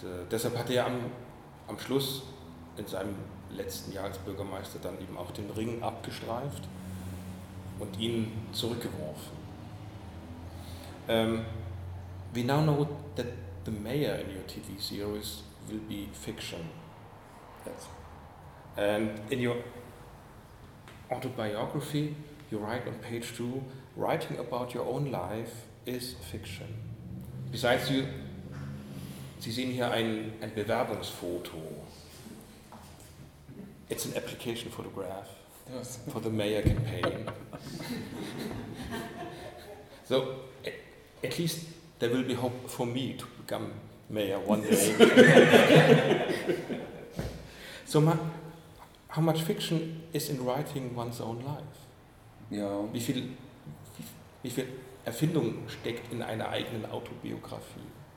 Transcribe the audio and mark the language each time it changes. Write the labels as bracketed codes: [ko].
[de] Deshalb hat er am Schluss in seinem letzten Jahr als Bürgermeister dann eben auch den Ring abgestreift und ihn zurückgeworfen. [en] We now know that the mayor in your TV series will be fiction. Yes. And in your autobiography, you write on page 2, writing about your own life is fiction. Besides you, [de] Sie sehen hier ein Bewerbungsfoto. [en] It's an application photograph for the mayor campaign. So, at least there will be hope for me to become mayor one day. So, how much fiction is in writing one's own life? Yeah. [de] Wie viel Erfindung steckt in einer eigenen Autobiographie?